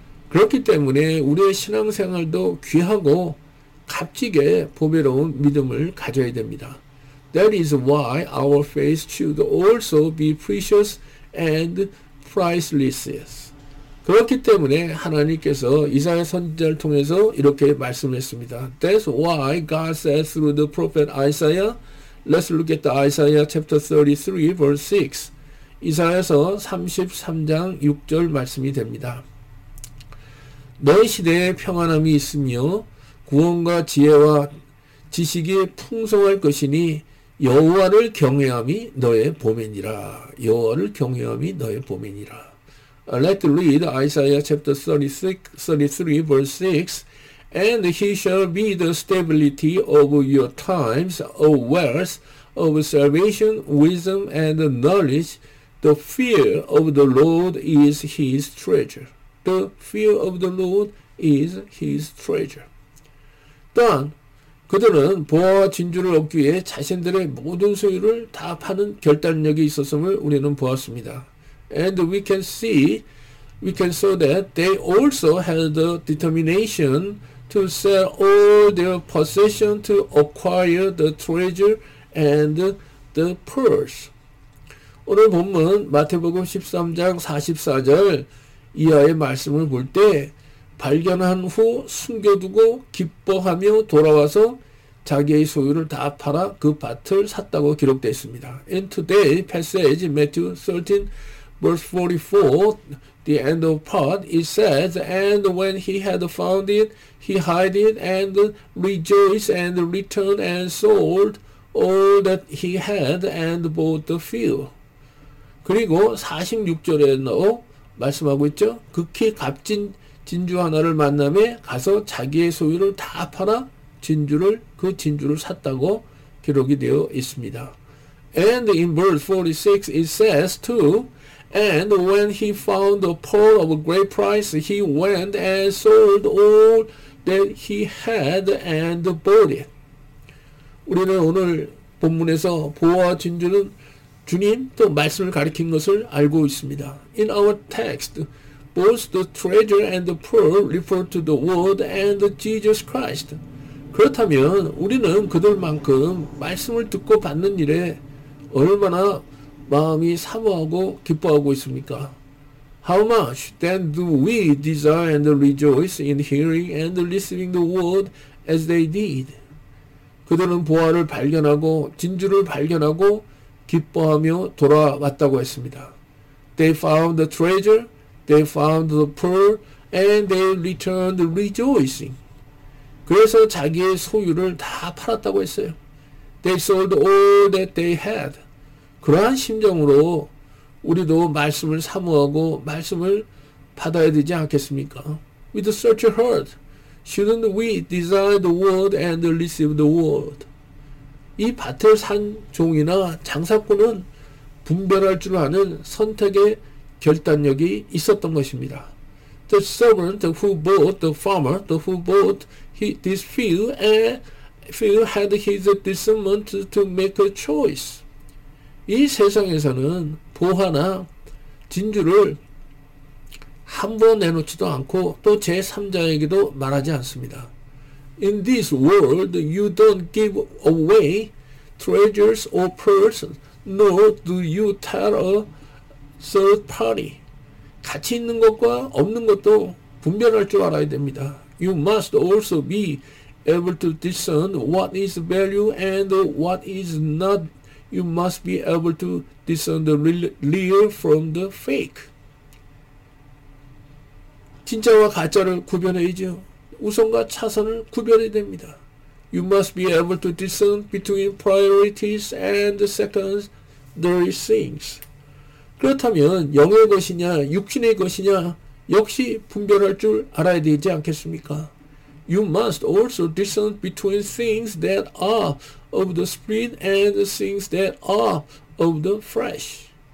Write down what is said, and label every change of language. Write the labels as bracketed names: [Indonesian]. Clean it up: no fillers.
[Korean] 그렇기 때문에 우리의 신앙생활도 귀하고 값지게 보배로운 믿음을 가져야 됩니다. [English] That is why our faith should also be precious and priceless. [Korean] 그렇기 때문에 하나님께서 이사야 선지자를 통해서 이렇게 말씀했습니다. [English] That's why God said through the prophet Isaiah, let's look at the Isaiah chapter 33 verse 6. [Korean] 이사야서 33장 6절 말씀이 됩니다. 너희 시대에 평안함이 있으며 구원과 지혜와 지식이 풍성할 것이니 여호와를 경외함이 너의 보배니라. 여호와를 경외함이 너의 보배니라. [English] Let us read Isaiah chapter 33 verse 6. And he shall be the stability of your times, a wealth of salvation, wisdom, and knowledge. The fear of the Lord is his treasure. The fear of the Lord is his treasure. [Korean] 또한 그들은 보아와 진주를 얻기 위해 자신들의 모든 소유를 다 파는 결단력이 있었음을 우리는 보았습니다. [English] And we can see, we can saw that they also had the determination to sell all their possessions to acquire the treasure and the pearls. [Korean] 오늘 본문 마태복음 13장 44절 이하의 말씀을 볼 때 발견한 후 숨겨두고 기뻐하며 돌아와서 자기의 소유를 다 팔아 그 밭을 샀다고 기록되어 있습니다. [English] In today, passage Matthew 13, verse 44, the end of part, it says, And when he had found it, he hid it and rejoiced and returned and sold all that he had and bought the field. [Korean] 그리고 46절에 넣어 말씀하고 있죠. 극히 값진 진주 하나를 만남에 가서 자기의 소유를 다 팔아 그 진주를 샀다고 기록이 되어 있습니다. [English] And in verse 46 it says too, And when he found a pearl of a great price, he went and sold all that he had and bought it. [Korean] 우리는 오늘 본문에서 보화와 진주는 주님 또 말씀을 가리킨 것을 알고 있습니다. [English] In our text, both the treasure and the pearl refer to the word and Jesus Christ. [Korean] 그렇다면 우리는 그들만큼 말씀을 듣고 받는 일에 얼마나 마음이 사모하고 기뻐하고 있습니까? [English] How much then do we desire and rejoice in hearing and receiving the word as they did? [Korean] 그들은 보화를 발견하고 진주를 발견하고 기뻐하며 돌아왔다고 했습니다. [English] They found the treasure, they found the pearl, and they returned rejoicing. [Korean] 그래서 자기의 소유를 다 팔았다고 했어요. [English] They sold all that they had. [Korean] 그러한 심정으로 우리도 말씀을 사모하고 말씀을 받아야 되지 않겠습니까? [English] With such a heart, shouldn't we desire the word and receive the word? [Korean] 이 밭을 산 종이나 장사꾼은 분별할 줄 아는 선택의 결단력이 있었던 것입니다. [English] The servant who bought the farmer, the who bought this field, and field had his discernment to make a choice. [Korean] 이 세상에서는 보화나 진주를 함부로 내놓지도 않고 또 제3자에게도 말하지 않습니다. [English] In this world, you don't give away treasures or pearls, nor do you tell a third party. [Korean] 가치 있는 것과 없는 것도 분별할 줄 알아야 됩니다. [English] You must also be able to discern what is value and what is not. You must be able to discern the real from the fake. [Korean] 진짜와 가짜를 구별해야죠. 우선과 차선을 구별해야 됩니다. [English] You must be able to discern between priorities and secondary things. [Korean] 그렇다면 영의 것이냐 육신의 것이냐 역시 분별할 줄 알아야 되지 않겠습니까? [English] You must also discern between things that are of the spirit and things that are of the flesh.